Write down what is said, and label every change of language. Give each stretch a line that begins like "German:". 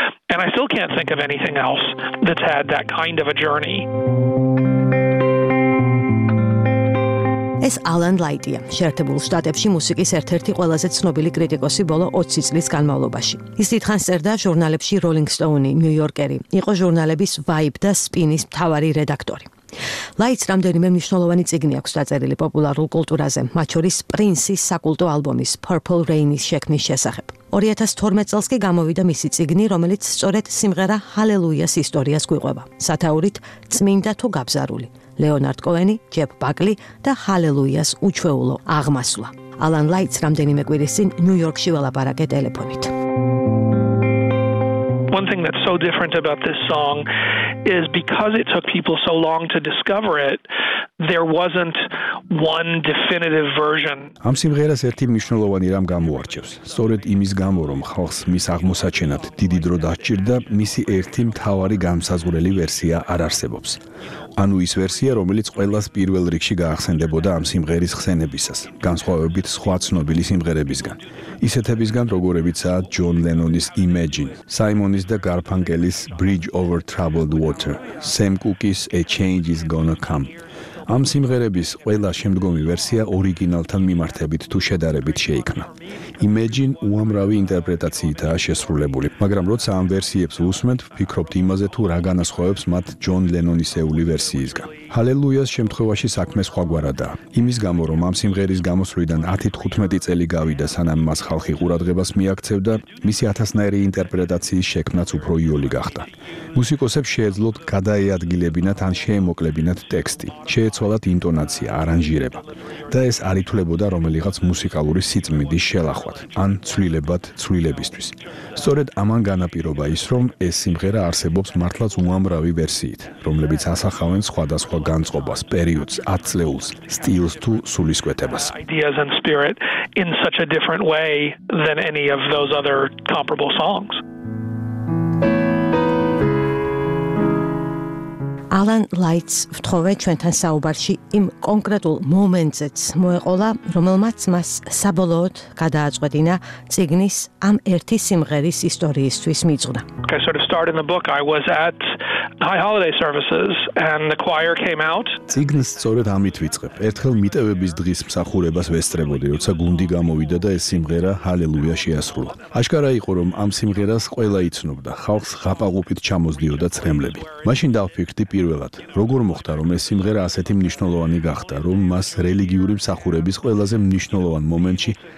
English: And I still can't think of anything else that's had that kind of a journey.
Georgian: ეს ალან ლაიტია, შეერთებულ შტატებში მუსიკის ერთ-ერთი ყველაზე ცნობილი კრიტიკოსი ბოლო 20 წლის განმავლობაში. ის დიდხანს წერდა ჟურნალებში Rolling Stone-ი, New Yorker-ი, იყო ჟურნალების Vibe და Spin-ის მთავარი რედაქტორი. ლაიტს რამდენიმე მნიშვნელოვანი წიგნი აქვს დაწერილი პოპულარულ კულტურაზე, მათ შორის პრინსის საკულტო ალბომის Purple Rain-ის შექმნის შესახებ. 2012 წელს კი გამოვიდა მისი წიგნი, რომელიც სწორედ სიმღერა Halleluja-ს ისტორიას გვიყვება. სათაურით წმინდა თუ გაბზარული. Leonard Cohen-ი, Jeff Buckley და Halleluja-ს უჩვეულო აღმასვლა. Alan Lights რამდენიმე კვირის წინ New York-ში ველაპარაკე ტელეფონით.
English: One thing that's so different about this song is because it took people so long to discover it, there wasn't one definitive version.
Georgian: ამ სიმღერას ერთი მნიშვნელოვანი რამ გამოარჩევს. სწორედ იმის გამო, რომ ხალხს მის აღმოსაჩენად დიდი დრო დასჭირდა, მისი ერთი მთავარი განსაზღვრელი ვერსია არ არსებობს. ანუ ის ვერსია, რომელიც ყველას პირველ რიგში გაახსენდებოდა ამ სიმღერის ხსენებისას, განსხვავებით სხვა ცნობილი სიმღერებისგან. ისეთებისგან, როგორებიცაა ჯონ ლენონის Imagine, საიმონის და გარფანკელის Bridge Over Troubled Water, Sam Cooke-ის A Change Is Gonna Come. ამ სიმღერების ყველა შემდგომი ვერსია ორიგინალთან მიმართებით თუ შედარებით შეიქმნა. Imagine უამრავი ინტერპრეტაციითაა შესრულებული, მაგრამ როცა ამ ვერსიებს უსმენთ, ფიქრობთ იმაზე, თუ რა განასხვავებს მათ ჯონ ლენონისეული ვერსიისგან. Halleluja-ს შემთხვევაში საქმე სხვაგვარადაა. იმის გამო, რომ ამ სიმღერის გამოსვლიდან 10-15 წელი გავიდა, სანამ მას ხალხი ყურადღებას მიაქცევდა, მისი ათასნაირი ინტერპრეტაციის შექმნაც უფრო იოლი გახდა. მუსიკოსებს შეეძლოთ გადაეადგილებინათ ან შეემოკლებინათ ტექსტი, შეეცვალათ ინტონაცია, არანჟირება და ეს არ ითვლებოდა რომელიღაც მუსიკალური სიწმინდის შელახვად ან ცვლილებად ცვლილებისთვის. სწორედ ამან განაპირობა ის, რომ ეს სიმღერა არსებობს მართლაც უამრავი ვერსიით, რომლებიც ასახავენ სხვადასხვა განწყობას, პერიოდს, ათწლეულს, სტილს თუ სულისკვეთებას.
English: Ideas and spirit in such a different way than any of those other comparable songs.
Georgian: Alan Lights ვთხოვე ჩვენთან საუბარში იმ კონკრეტულ მომენტზეც მოეყოლა, რომელმაც მას საბოლოოდ გადააწყვეტინა წიგნის ამ ერთი სიმღერის ისტორიისთვის მიძღვნა.
English: I sort of started in the book I was at high holiday services and the choir came out.
Georgian: წიგნს სწორედ ამით ვიწყებ. ერთხელ მიტევების დღის მსახურებას ვესწრებოდი, როცა გუნდი გამოვიდა და ეს სიმღერა Halleluja შეასრულა. აშკარა იყო, რომ ამ სიმღერას ყველა იცნობდა, ხალხს ღაპაღუპით ჩამოსდიოდა ცრემლები. მაშინ დავფიქრდი პირველად, როგორ მოხდა, რომ ეს სიმღერა ასეთი მნიშვნელოვანი გახდა, რომ მას რელიგიური მსახურების ყველაზე მნიშვნელოვან მომენტში